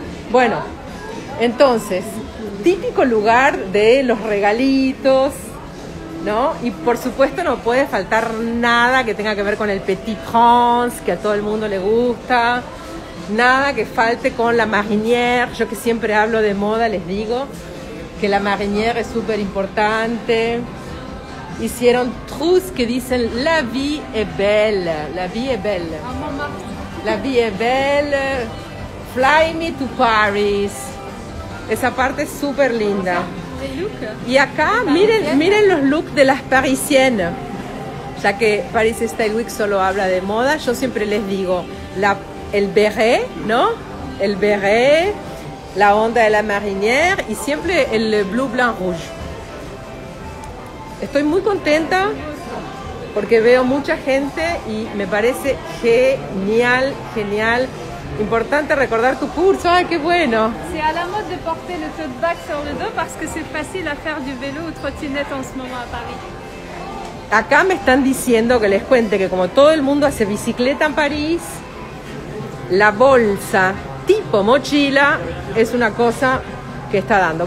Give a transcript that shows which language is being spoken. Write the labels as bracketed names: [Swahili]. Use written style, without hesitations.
[Spanish] Bueno, entonces, típico lugar de los regalitos, ¿no? Y por supuesto no puede faltar nada que tenga que ver con el Petit Prince, que a todo el mundo le gusta. Nada que falte con la Marinière. Yo que siempre hablo de moda, les digo que la Marinière es súper importante. Hicieron trousses que dicen [French] La vie est belle. La vie est belle. La vie est belle. [English] Fly me to Paris. [Spanish] Esa parte es súper linda. Y acá, miren los looks de las parisiennes. Ya que Paris Style Week solo habla de moda, yo siempre les digo, el beret, ¿no? El beret, la onda de la marinière y siempre el [French] bleu, blanc, rouge. [Spanish] Estoy muy contenta porque veo mucha gente y me parece genial, genial. Importante recordar tu curso, ay, qué bueno. [French] C'est à la mode de porter le tote bag sur le dos parce que c'est facile à faire du vélo ou trottinette en ce moment à Paris. [Spanish] Acá me están diciendo que les cuente que como todo el mundo hace bicicleta en París, la bolsa tipo mochila es una cosa que está dando.